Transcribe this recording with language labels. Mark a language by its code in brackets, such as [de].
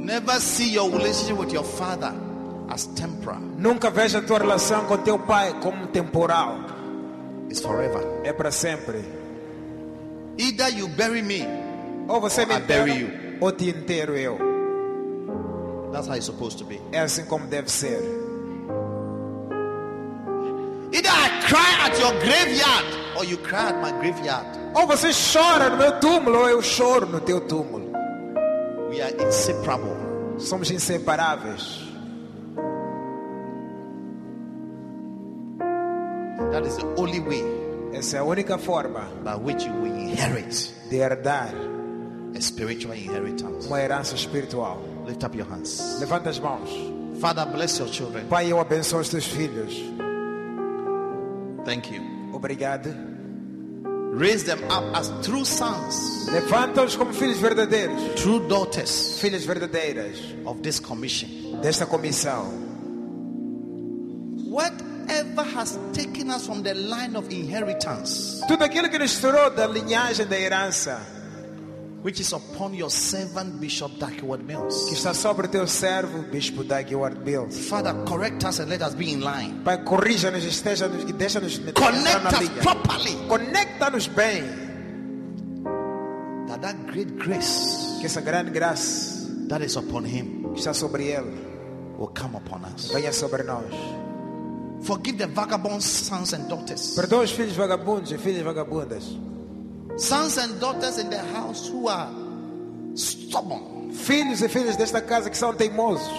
[en] Never see your relationship with your father as temporal. [pt] Nunca veja tua relação com teu pai como temporal. [en] It's forever. [pt] É para sempre. [en] Either you bury me, [pt] ou você [en] or [pt] me [en] I bury you. [pt] Ou te enterro eu. [en] That's how it's supposed to be. [pt] É assim como deve ser. [en] Either I cry at your graveyard, or you cry at my graveyard. [pt] Ou você chora no meu túmulo, ou eu choro no teu túmulo. [en] We are inseparable. [pt] Somos inseparáveis. [en] That is the only way. [pt] Essa é a única forma [en] by which you will inherit [pt] de herdar [en] a spiritual inheritance. [pt] Uma herança espiritual. [en] Lift up your hands. [pt] Levanta as mãos. [en] Father, bless your children. [pt] Pai, eu abençoo os teus filhos. [en] Thank you. [pt] Obrigado. [en] Raise them up as true sons. [pt] Levanta-os como filhos verdadeiros. [en] True daughters. [pt] Filhas verdadeiras. [en] Of this commission. [pt] Desta comissão. [en] Whatever has taken us from the line of inheritance. [pt] Tudo aquilo que nos tirou da linhagem da herança. [en] Which is upon your servant Bishop Dagwood Mills. [pt] Que está sobre teu servo Bispo Dagwood Mills. [en] Father, correct us and let us be in line. [pt] Pai, corrija-nos e esteja-nos e deixa-nos [en] connect us properly. [pt] Conecta-nos bem. [en] That great grace. [pt] Que essa grande graça. [en] That is upon him. [pt] Que está sobre ele. [en] Will come upon us. [pt] Venha sobre nós. [en] Forgive the vagabond sons and daughters. [pt] Perdoa os filhos vagabundos e filhas vagabundas. [en] Sons and daughters in the house who are stubborn. [pt] Filhos e filhas desta casa que são teimosos.